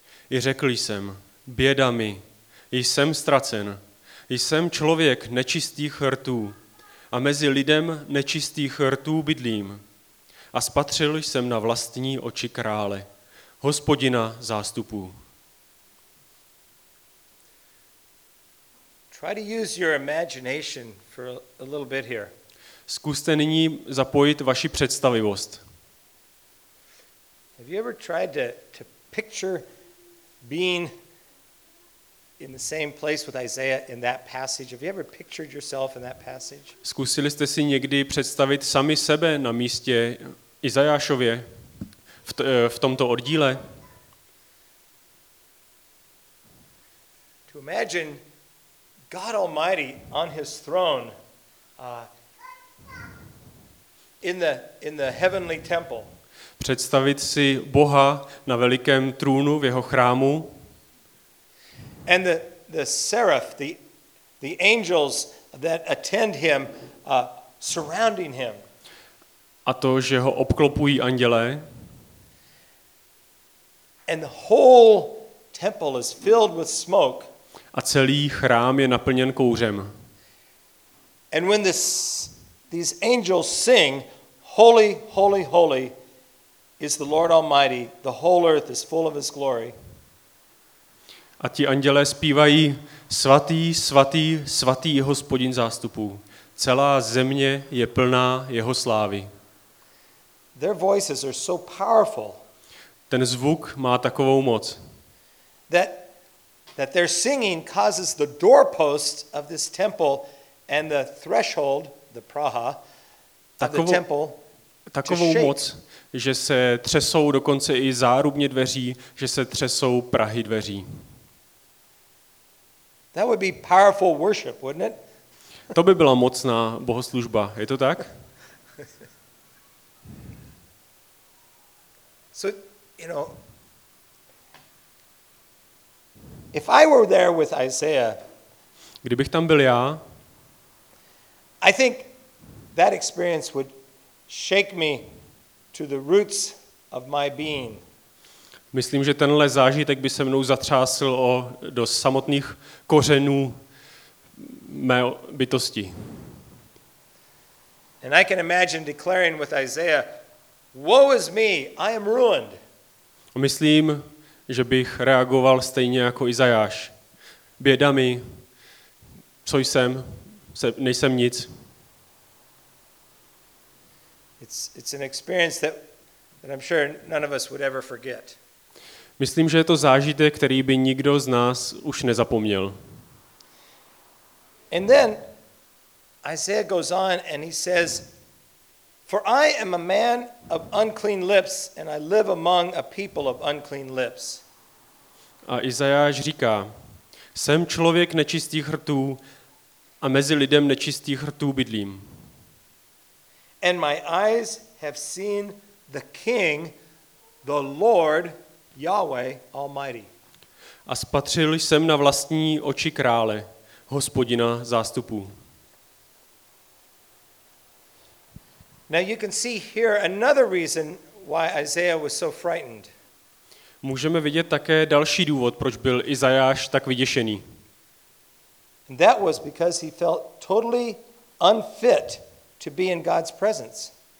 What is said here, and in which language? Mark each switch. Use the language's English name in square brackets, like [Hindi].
[Czech] I řekl jsem, běda mi, jsem ztracen, jsem člověk nečistých rtů a mezi lidem nečistých rtů bydlím. A spatřil jsem na vlastní oči krále, Hospodina zástupů. [English] Try to use your imagination for a little bit here. [Czech] Zkuste nyní zapojit vaši představivost. [English] Have you ever tried to picture being in the same place with Isaiah in that passage? Have you ever pictured yourself in that passage? [Czech] Zkusili jste si někdy představit sami sebe na místě Izajášově v tomto oddíle? [English] To imagine God Almighty on his throne in the heavenly temple. [Czech] Představit si Boha na velikém trůnu v jeho chrámu. [English] And the seraph, the angels that attend him surrounding him. [Czech] A to, že ho obklopují andělé. [English] And the whole temple is filled with smoke. [Czech] A celý chrám je naplněn kouřem. [English] And when these angels sing, holy, holy, holy is the Lord Almighty, the whole earth is full of his glory. [Czech] A ti andělé zpívají svatý, svatý, svatý je Hospodin zástupů. Celá země je plná jeho slávy. [English] Their voices are so powerful. [Czech] Ten zvuk má takovou moc. [English] That their singing causes the doorposts of this temple and the threshold, the praha, [Czech] takovou, [English] of the temple [Czech] takovou [English] to [Czech] moc, [English] shake. [Czech] Že se třesou dokonce i zárubně dveří, že se třesou prahy dveří. [English] That would be powerful worship, wouldn't it? [Czech] To by byla mocná bohoslužba, je to tak? [English] So, you know, if I were there with Isaiah, [Czech] kdybych tam byl já, [English] I think that experience would shake me to the roots of my being. [Czech] Myslím, že tenhle zážitek by se mnou zatřásl do samotných kořenů mé bytosti. [English] And I can imagine declaring with Isaiah, woe is me, I am ruined. [Czech] Myslím, že bych reagoval stejně jako Izajáš. Běda mi, co jsem, nejsem nic. [English] It's an experience that I'm sure none of us would ever forget. [Czech] Myslím, že je to zážitek, který by nikdo z nás už nezapomněl. [English] And then Isaiah goes on and he says, for I am a man of unclean lips and I live among a people of unclean lips. [Czech] A Izajáš říká, jsem člověk nečistých rtů a mezi lidem nečistých rtů bydlím. [English] And my eyes have seen the King, the Lord, Yahweh Almighty. [Czech] A spatřil jsem na vlastní oči krále, Hospodina zástupů. [English] Now you can see here another reason why Isaiah was so frightened. [Czech] Můžeme vidět také další důvod, proč byl Izajáš tak vyděšený. [English] And that was because he felt totally unfit to be in God's presence.